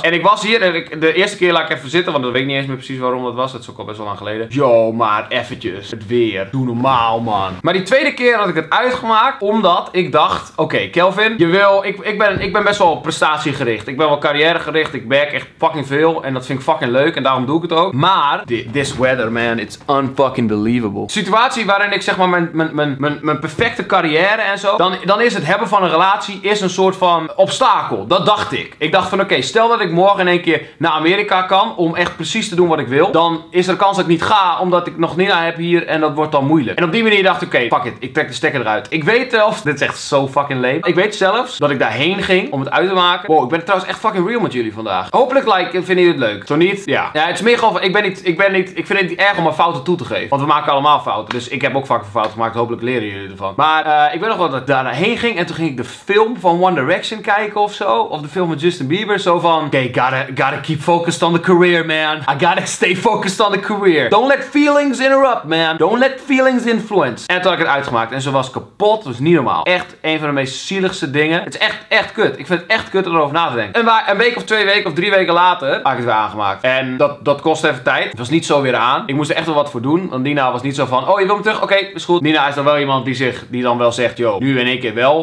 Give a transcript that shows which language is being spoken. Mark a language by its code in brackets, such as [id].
[nl] En ik was hier en de eerste keer laat ik even zitten, want dat weet ik niet eens meer precies waarom dat was. Dat is ook al best wel lang geleden. Yo, maar eventjes. Het weer. Doe normaal, man. Maar die tweede keer had ik het uitgemaakt omdat ik dacht, oké, Kelvin, je wil, ik ben best wel prestatiegericht. Ik ben wel carrièregericht. Ik werk echt fucking veel en dat vind ik fucking leuk en daarom doe ik het ook. [en] Maar, this weather, man, it's unfucking believable. [nl] Situatie waarin ik zeg maar mijn perfecte carrière en zo, dan is het hebben van een relatie is een soort van obstakel. Dat dacht ik. Ik dacht van, oké, stel dat ik morgen in één keer naar Amerika kan om echt precies te doen wat ik wil, dan is er een kans dat ik niet ga, omdat ik nog Nina heb hier en dat wordt dan moeilijk. En op die manier dacht ik, oké, fuck it, ik trek de stekker eruit. Ik weet zelfs, dit is echt zo fucking lame, ik weet zelfs dat ik daarheen ging om het uit te maken. Wow, ik ben trouwens echt fucking real met jullie vandaag. Hopelijk vinden jullie het leuk. Zo niet, ja. Ja, het is meer gewoon, ik vind het niet erg om mijn fouten toe te geven. Want we maken allemaal fouten, dus ik heb ook vaak fouten gemaakt. Hopelijk leren jullie ervan. Maar ik weet nog wel dat ik daar naarheen ging en toen ging ik de film van One Direction kijken of zo. Of de film van Justin Bieber, zo van, [en] okay, gotta keep focused on the career, man. I gotta stay focused on the career. Don't let feelings interrupt, man. Don't let feelings influence. [nl] En toen had ik het uitgemaakt en ze was kapot. Dat was niet normaal. Echt een van de meest zieligste dingen. Het is echt, echt kut. Ik vind het echt kut om erover na te denken. En een week of twee weken of drie weken later had ik het weer aangemaakt. En dat kost even tijd. Het was niet zo weer aan. Ik moest er echt wel wat voor doen. Want Nina was niet zo van, oh, je wil me terug? Oké, is goed. Nina is dan wel iemand die dan wel zegt, yo, nu in één keer wel.